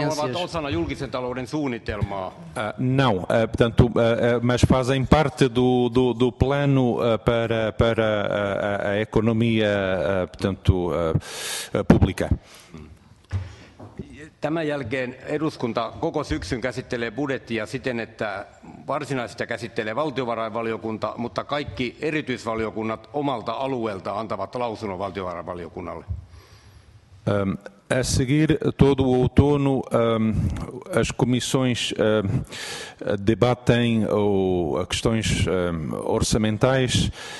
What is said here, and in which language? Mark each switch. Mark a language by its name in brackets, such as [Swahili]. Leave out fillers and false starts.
[Finnish] Ne ovat osana julkisen talouden suunnitelmaa. [Portuguese] Portanto, mas fazem parte do plano para a economia, portanto, pública. [Finnish] Tämän jälkeen eduskunta koko syksyn käsittelee budjettia siten, että varsinaisesti käsittelee valtiovarainvaliokunta, mutta kaikki erityisvaliokunnat omalta alueelta antavat lausunnon valtiovarainvaliokunnalle. [Portuguese] A seguir, todo o outono, as comissões debatem questões orçamentais